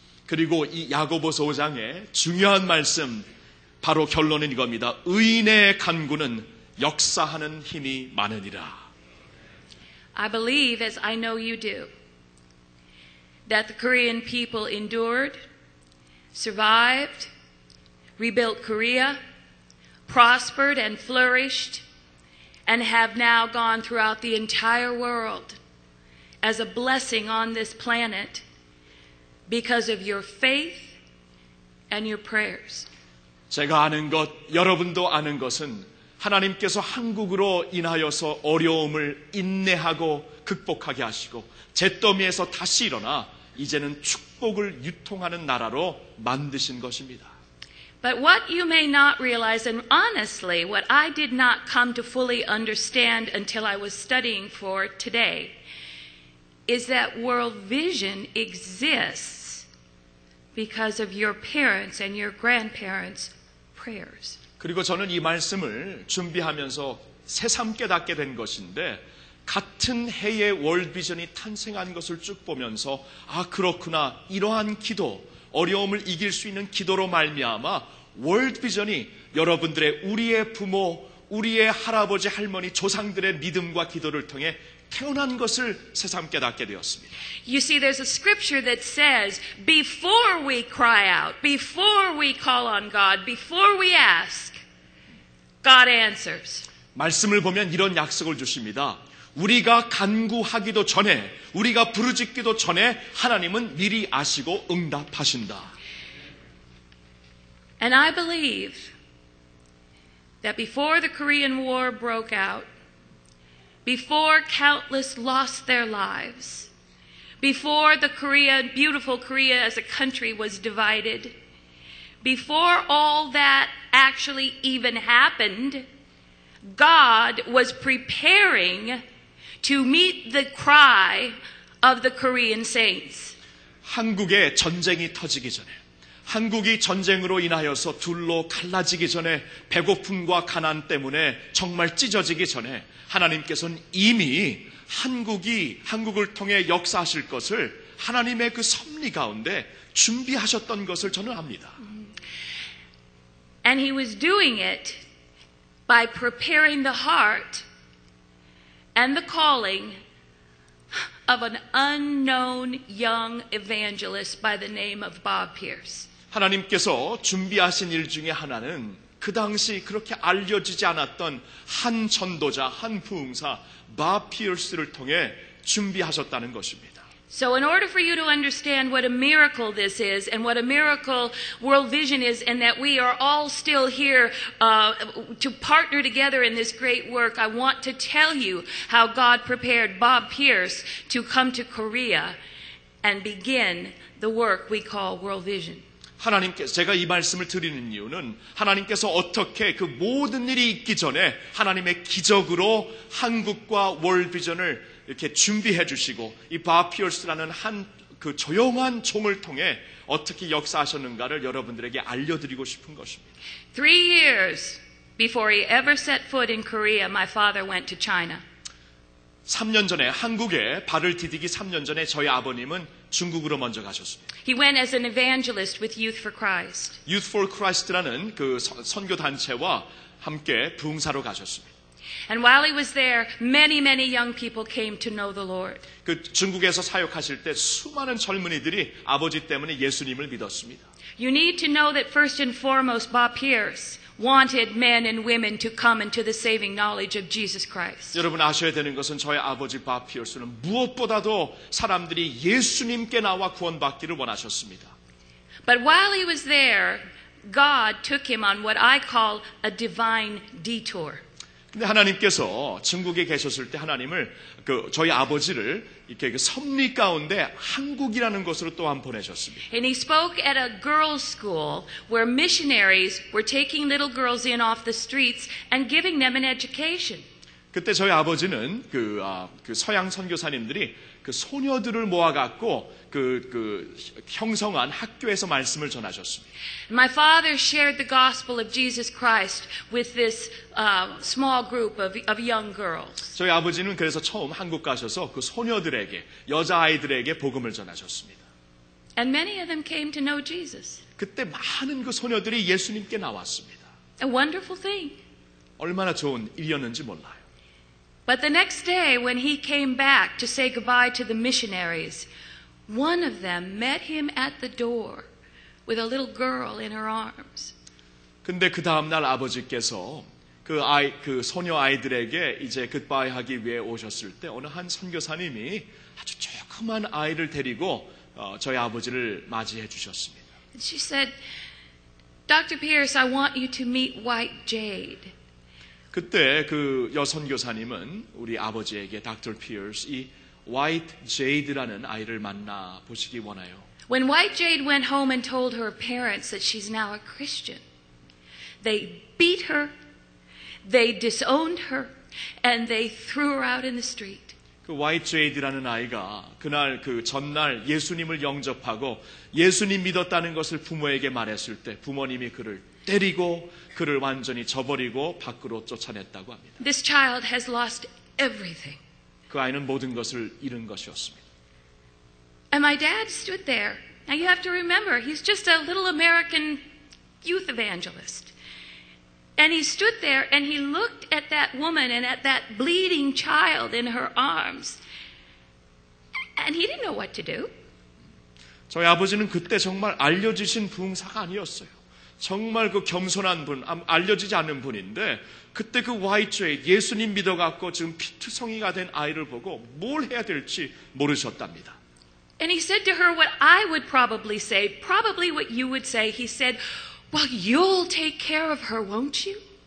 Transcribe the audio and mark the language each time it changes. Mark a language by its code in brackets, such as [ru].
[ko] 그리고 이 야고보서 5장의 중요한 말씀 바로 결론은 이겁니다. 의인의 간구는 역사하는 힘이 많으니라. [en] I believe, as I know you do, that the Korean people endured, survived, rebuilt Korea, prospered and flourished, and have now gone throughout the entire world as a blessing on this planet because of your faith and your prayers. [ko] 제가 아는 것, 여러분도 아는 것은 하나님께서 한국으로 인하여서 어려움을 인내하고 극복하게 하시고 잿더미에서 다시 일어나 이제는 축복을 유통하는 나라로 만드신 것입니다. [en] But what you may not realize, and honestly, what I did not come to fully understand until I was studying for today, is that world vision exists because of your parents and your grandparents' prayers. [ko] 그리고 저는 이 말씀을 준비하면서 새삼 깨닫게 된 것인데 같은 해에 월드비전이 탄생한 것을 쭉 보면서 아 그렇구나 이러한 기도 어려움을 이길 수 있는 기도로 말미암아 월드비전이 여러분들의 우리의 부모 우리의 할아버지 할머니 조상들의 믿음과 기도를 통해 태어난 것을 새삼 깨닫게 되었습니다. [en] You see, there's a scripture that says, before we cry out, before we call on God, before we ask, God answers. [ko] 말씀을 보면 이런 약속을 주십니다. 우리가 간구하기도 전에, 우리가 부르짖기도 전에 하나님은 미리 아시고 응답하신다. [en] And I believe that before the Korean War broke out, before countless lost their lives, before the Korea, beautiful Korea as a country was divided, before all that actually even happened, God was preparing to meet the cry of the Korean saints. [ko] 한국에 전쟁이 터지기 전에, 한국이 전쟁으로 인하여서 둘로 갈라지기 전에, 배고픔과 가난 때문에 정말 찢어지기 전에, 하나님께서는 이미 한국이 한국을 통해 역사하실 것을 하나님의 그 섭리 가운데 준비하셨던 것을 저는 압니다. [en] And he was doing it by preparing the heart and the calling of an unknown young evangelist by the name of Bob Pierce. [ko] 하나님께서 준비하신 일 중에 하나는 그 당시 그렇게 알려지지 않았던 한 전도자, 한 부흥사, 밥 피어스를 통해 준비하셨다는 것입니다. [en] So in order for you to understand what a miracle this is and what a miracle world vision is and that we are all still here to partner together in this great work, I want to tell you how God prepared Bob Pierce to come to Korea and begin the work we call world vision. [ko] 하나님께서 제가 이 말씀을 드리는 이유는 하나님께서 어떻게 그 모든 일이 있기 전에 하나님의 기적으로 한국과 월드비전을 이렇게 준비해 주시고 이 바피얼스라는 한 그 조용한 종을 통해 어떻게 역사하셨는가를 여러분들에게 알려드리고 싶은 것입니다. [en] Three years before he ever set foot in Korea, my father went to China. [ko] 3년 전에 한국에 발을 디디기 3년 전에 저희 아버님은 중국으로 먼저 가셨습니다. [en] He went as an evangelist with Youth for Christ. [ko] Youth for Christ라는 그 선교 단체와 함께 부흥사로 가셨습니다. [en] And while he was there, many many young people came to know the Lord. [ko] 그 중국에서 사역하실 때 수많은 젊은이들이 아버지 때문에 예수님을 믿었습니다. [en] You need to know that first and foremost, Bob Pierce wanted men and women to come into the saving knowledge of Jesus Christ. [ko] 여러분 아셔야 되는 것은 저희 아버지 밥 피어스는 무엇보다도 사람들이 예수님께 나와 구원받기를 원하셨습니다. [en] But while he was there, God took him on what I call a divine detour. [ko] 근데 하나님께서 중국에 계셨을 때 하나님을 그 저희 아버지를 이렇게 그 섭리 가운데 한국이라는 곳으로 또 한 보내셨습니다. [en] And he spoke at a girls' school where missionaries were taking little girls in off the streets and giving them an education. [ko] 그때 저희 아버지는 그, 그 서양 선교사님들이 그 소녀들을 모아갖고 그 형성한 학교에서 말씀을 전하셨습니다. [en] My father shared the gospel of Jesus Christ with this small group of young girls. [ko] 저희 아버지는 그래서 처음 한국 가셔서 그 소녀들에게 여자 아이들에게 복음을 전하셨습니다. [en] And many of them came to know Jesus. [ko] 그때 많은 그 소녀들이 예수님께 나왔습니다. [en] A wonderful thing. [ko] 얼마나 좋은 일이었는지 몰라요. [en] But the next day when he came back to say goodbye to the missionaries, one of them met him at the door with a little girl in her arms. [ko] 근데 그 다음 날 아버지께서 그 아이 그 소녀 아이들에게 이제 goodbye 하기 위해 오셨을 때 어느 한 선교사님이 아주 조그만 아이를 데리고 저희 아버지를 맞이해 주셨습니다. [en] She said, "Dr. Pierce, I want you to meet White Jade." [ko] 그때 그 여선교사님은 우리 아버지에게 닥터 피어스 이 화이트 제이드라는 아이를 만나 보시기 원하여. [en] When White Jade went home and told her parents that she's now a Christian, they beat her, they disowned her, and they threw her out in the street. [ko] 그 화이트 제이드라는 아이가 그날 그 전날 예수님을 영접하고 예수님 믿었다는 것을 부모에게 말했을 때 부모님이 그를 때리고 그를 완전히 저버리고 밖으로 쫓아냈다고 합니다. [en] This child has lost everything. [ko] 그 아이는 모든 것을 잃은 것이었습니다. [en] And my dad stood there. Now you have to remember, he's just a little American youth evangelist. And he stood there and he looked at that woman and at that bleeding child in her arms. And he didn't know what to do. [ko] 저희 아버지는 그때 정말 알려지신 부흥사가 아니었어요. 정말 그 겸손한 분, 알려지지 않은 분인데 그때 그 와이트웨이 예수님 믿어갖고 지금 피투성이가 된 아이를 보고 뭘 해야 될지 모르셨답니다. [en] And he said to her what I would probably say, probably what you would say. He said, "Well, you'll take care of her, won't you?"